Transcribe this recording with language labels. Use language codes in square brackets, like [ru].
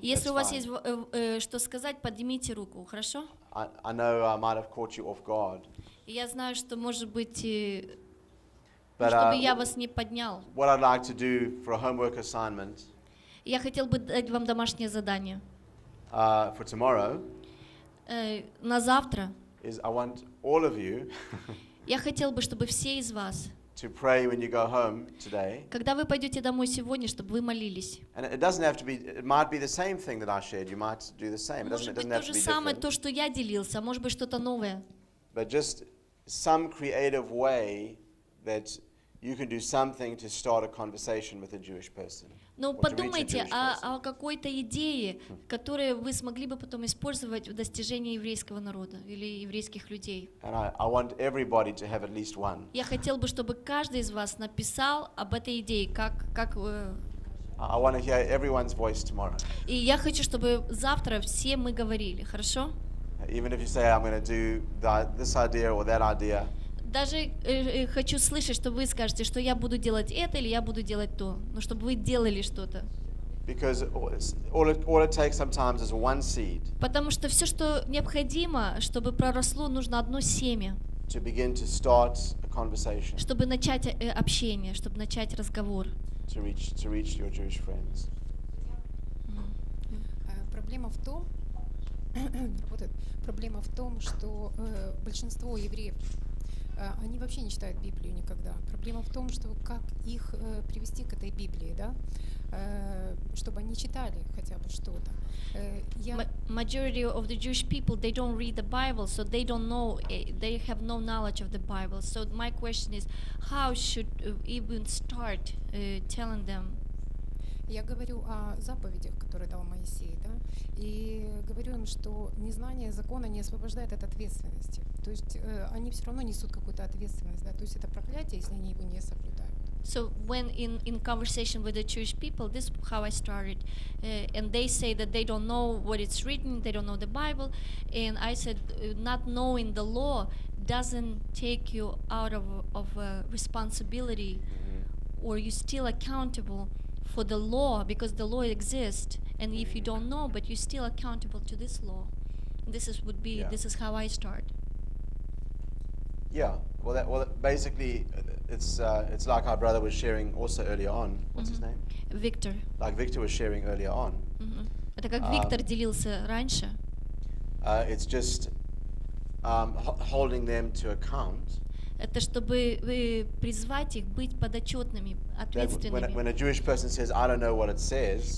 [ru] Если у вас есть что сказать, поднимите руку, хорошо? [en] I know I might have caught you off guard. [ru] Я знаю, что может быть, чтобы я вас не поднял. [en] What I'd like to do for a homework assignment. [ru] Я хотел бы дать вам домашнее задание. [en] For tomorrow. [ru] На завтра. [en] Is I want all of you. [ru] Я хотел бы, чтобы все из вас. [en] To pray when you go home today. [ru] Когда вы пойдете домой сегодня, чтобы вы молились. [en] And it doesn't have to be. It might be the same thing that I shared. You might do the same. It doesn't have to be different. [ru] Может быть то же самое, то, что я делился. Может быть что-то новое. [en] But just some creative way that you can do something to start a conversation with a Jewish person. [ru] Но подумайте о какой-то идее, которую вы смогли бы потом использовать в достижении еврейского народа или еврейских людей. [en] And I want everybody to have at least one. [ru] Я хотел бы, чтобы каждый из вас написал об этой идее, как. [en] I want to hear everyone's voice tomorrow. [ru] И я хочу, чтобы завтра все мы говорили, хорошо? [en] Even if you say I'm going to do this idea or that idea. [ru] Даже хочу слышать, что вы скажете, что я буду делать это или я буду делать то, но чтобы вы делали что-то. [en] Because all it takes sometimes is one seed. [ru] Потому что все, что необходимо, чтобы проросло, нужно одно семя. [en] To begin to start a conversation. [ru] Чтобы начать общение, чтобы начать разговор. [en] To reach your Jewish friends. [ru] Проблема в том. Работает. Проблема в том, что большинство евреев они вообще не читают Библию никогда. Проблема в том, что как их привести к этой Библии, да? Чтобы они читали хотя бы что-то. [en] Majority of the Jewish people, they don't read the Bible, so they don't know, they have no knowledge of the Bible. So my question is, how should even start telling them? [ru] Я говорю о заповедях, которые дал Моисей, да, и говорю им, что незнание закона не освобождает от ответственности. То есть они все равно несут какую-то ответственность, да. То есть это проклятие, если они его не соблюдают. [en] So when in conversation with the Jewish people, this is how I started, and they say that they don't know what it's written, they don't know the Bible, and I said, not knowing the law doesn't take you out of responsibility, or you're still accountable. For the law, because the law exists, and if you don't know, but you're still accountable to this law, this is how I start. Yeah, basically, it's like our brother was sharing also earlier on. What's mm-hmm. his name? Victor. Like Victor was sharing earlier on. Mm-hmm. [ru] Это как Виктор делился раньше. [en] It's just holding them to account. [ru] Это чтобы призвать их быть подотчетными, ответственными.